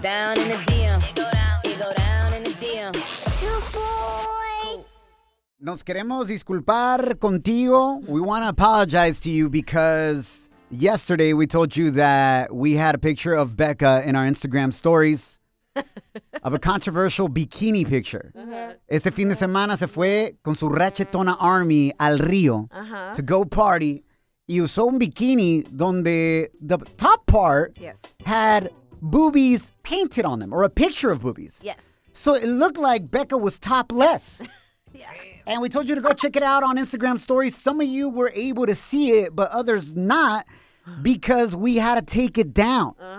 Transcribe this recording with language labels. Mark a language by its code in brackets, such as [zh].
[en] Down in the DM. You go down in the DM. [es] Nos queremos disculpar contigo. [en] We want to apologize to you because yesterday we told you that we had a picture of Becca in our Instagram stories of a controversial bikini picture. Uh-huh. [es] Este fin de semana se fue con su Ratchetona Army al río [en] to go party. [es] Y usó un bikini donde [en] the top part had boobies painted on them, or a picture of boobies. Yes. So it looked like Becca was topless. And we told you to go check it out on Instagram stories. Some of you were able to see it, but others not, because we had to take it down.